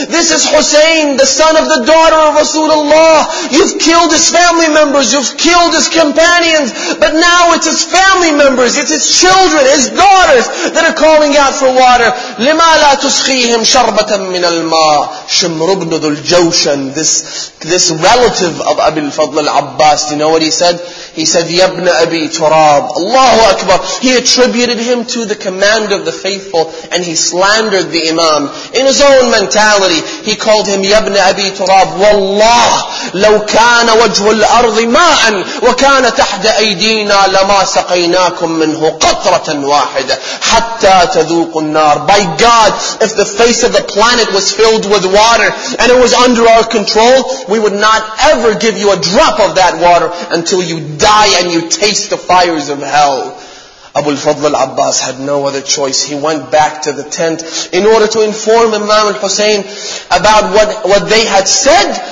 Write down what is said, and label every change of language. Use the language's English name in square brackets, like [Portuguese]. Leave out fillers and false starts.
[English] This is Hussein, the son of the daughter of Rasulullah. You've killed his family members. You've killed his companions. But now it's his family members. It's his children, his daughters that are calling out for water. [Arabic] لما لا تسخيهم شربة من الماء شمر ابن ذو الجوشن. [English] This relative of Abi al-Fadl al-Abbas. Do you know what he said? He said, Yabna Abi Turab. Allahu Akbar. He attributed him to the command of the faithful and he slandered the Imam. In his own mentality, he called him Yabna Abi Turab. [Arabic] Wallah, لو كان وجه الأرض ماء وكان تحت أيدينا لما سقيناكم منه قطرة واحدة حتى تذوق النار. [English] By God, if the face of the planet was filled with water and it was under our control, we would not ever give you a drop of that water until you die and you taste the fires of hell. Abu al-Fadl al-Abbas had no other choice. He went back to the tent in order to inform Imam al-Husayn about what they had said,